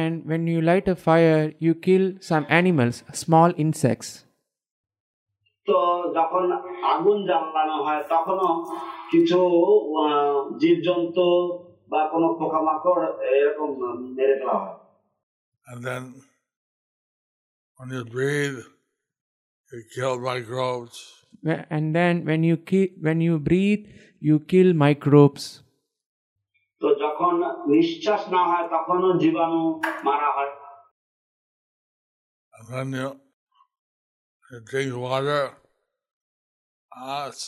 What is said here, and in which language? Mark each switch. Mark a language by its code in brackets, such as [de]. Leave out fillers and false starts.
[en] When you light a fire, you kill some animals, small insects. [bn] So, যখন আগুন জ্বালানো হয় তখনও কিছু জীবজন্তু বা কোনো পোকামাকড় এরকম মেরে ফেলা হয়. [en] And then, when you breathe, you kill microbes. And then, when you breathe, you kill microbes. [bn] So, যখন নিশ্বাস না হয় তখনও জীবাণু মারা হয়. [en] And then you drink water.